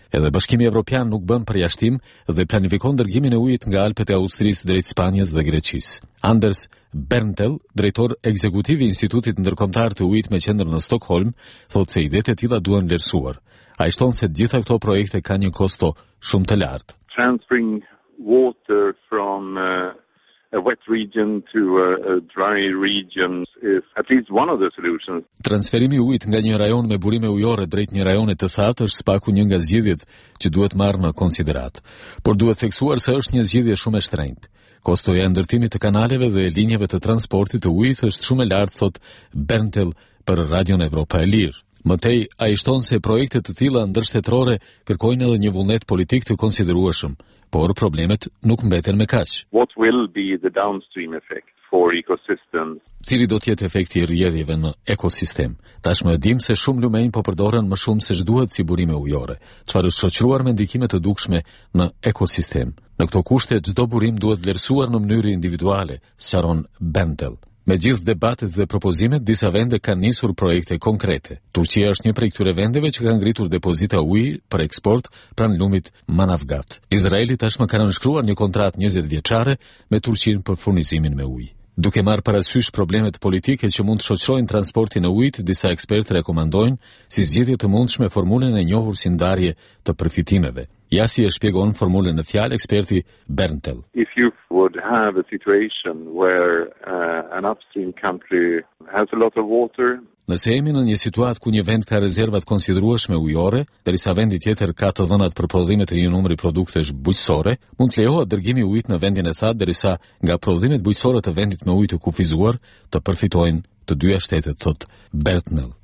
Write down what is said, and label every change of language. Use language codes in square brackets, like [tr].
[sq] Edhe Bashkimi Evropian nuk bën përjashtim dhe planifikon dërgimin e ujit nga Alpet e Austrisë drejt Spanjës dhe Greqisë. Anders Berntel, drejtor ekzekutiv i Institutit Ndërkombëtar të Ujit me qendër në Stockholm, thotë se idetë e tilla duhen vlerësuar. Ai shton se të gjitha këto projekte kanë një kosto shumë të lartë. [en] Transferring water from a wet region to a dry region is at least one of the solutions. [sq] Transferimi i ujit nga një rajon me burime ujore drejt një rajoni të thatë është spaku një nga zgjidhjet që duhet marrë në konsiderat, por duhet theksuar se është një zgjidhje shumë e shtrenjtë. Kostoja e ndërtimit të kanaleve dhe linjeve të transportit të ujit është shumë e lartë, thot Berntel për Radion Evropa e Lirë. Mëtej, a i shton se projekte të tilla ndërshtetërore kërkojnë edhe një vullnet politik të konsiderueshëm. Por problemet nuk mbeten me kaq. [en] What will be the downstream effect for ecosystems? [sq] Cili do të jetë efekti i rrjedhjeve në ekosistem? Tashmë dim se shumë lumenj po përdoren më shumë se ç'duhet si burime ujore, çfarë është shoqëruar me ndikime të dukshme në ekosistem. Në këto kushte çdo burim duhet vlerësuar në mënyrë individuale, sqaron Bentel. Me gjithë debatet dhe propozimet, disa vende kanë nisur projekte konkrete. Turqia është një prej këtyre vendeve që kanë ngritur depozita ujë për eksport pranë lumit Manavgat. Izraeli tashmë ka nënshkruar një kontratë 20 vjeçare me Turqinë për furnizimin me ujë. Duke marrë parasysh problemet politike që mund të shoqërojnë transportin e ujit, disa ekspertë rekomandojnë si zgjidhje të mundshme formulën e njohur si ndarje të përfitimeve. Ja si e shpjegon formulën në fjalë eksperti Berntel. [en] If you would have a situation where an upstream country has a lot of water. [sq] Nëse jemi në një situatë ku një vend ka rezervat konsiderueshme ujore, derisa vendi tjetër ka të dhënat për prodhimet e një numri produktesh bujqësore, mund të lejohet dërgimi ujit në vendin e thatë derisa nga prodhimet bujqësore të vendit me ujë të kufizuar të përfitojnë të dyja shtetet, thot Berntel.